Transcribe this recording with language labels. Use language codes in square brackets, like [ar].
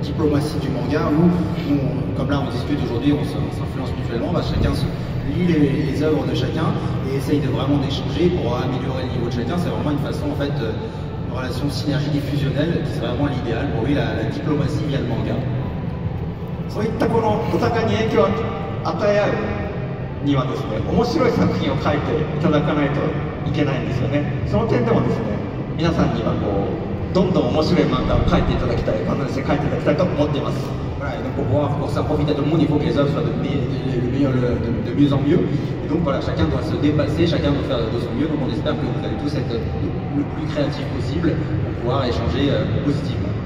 [fr] diplomatie du manga où, on, comme là on discute aujourd'hui, on s'influence mutuellement, bah, chacun lit les œuvres de chacun et essaye de vraiment d'échanger pour améliorer le niveau de chacun. C'est vraiment une façon en fait de relation synergique et fusionnelle qui serait vraiment l'idéal pour lui, la diplomatie via le manga. [ja] そういったこのお互いに影響を与え合うにはですね、面白い作品を描いていただかないといけないんですよね。その点でもですね、皆さんにはこうどんどん面白い漫画を描いていただきたい、バンドネスで描いていただきたいと思っています。 [fr] Pour voir, pour ça, profiter de tout le monde, il faut que les œuvres soient de mieux en mieux. Et donc voilà, chacun doit se dépasser, chacun doit faire de son mieux. Donc on espère que vous allez tous être le plus créatif possible pour pouvoir échanger positivement.